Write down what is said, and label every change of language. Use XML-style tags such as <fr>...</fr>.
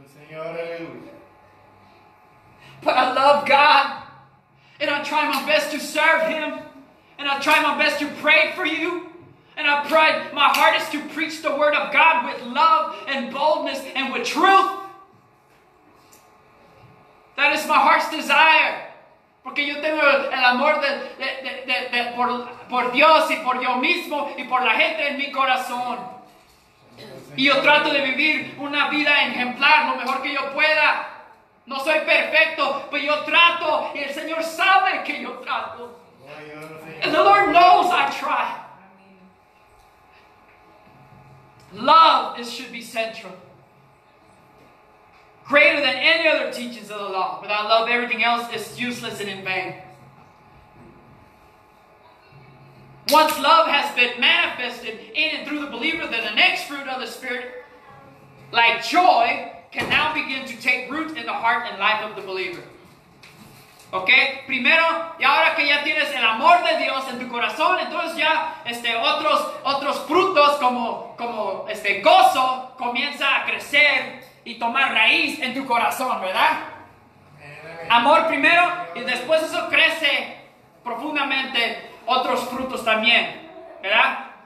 <en>But I love God, and I try my best to serve Him. And I try my best to pray for you. And I pray my hardest to preach the word of God with love and boldness and with truth. That is my heart's desire.</en> <es>Porque yo tengo el amor de por Dios y por yo mismo y por la gente en mi corazón. Y yo trato de vivir una vida ejemplar lo mejor que yo pueda. No soy perfecto, pero yo trato. Y el Señor sabe que yo trato.</es> <en>And the Lord knows I try. Love is should be central. Greater than any other teachings of the law. Without love, everything else is useless and in vain. Once love has been manifested in and through the believer, then the next fruit of the Spirit, like joy, can now begin to take root in the heart and life of the believer.</en> <es>Okay, primero, y ahora que ya tienes el amor de Dios en tu corazón, entonces ya otros frutos como gozo comienza a crecer y tomar raíz en tu corazón, ¿verdad? Amor primero, y después eso crece profundamente otros frutos también, ¿verdad?</es>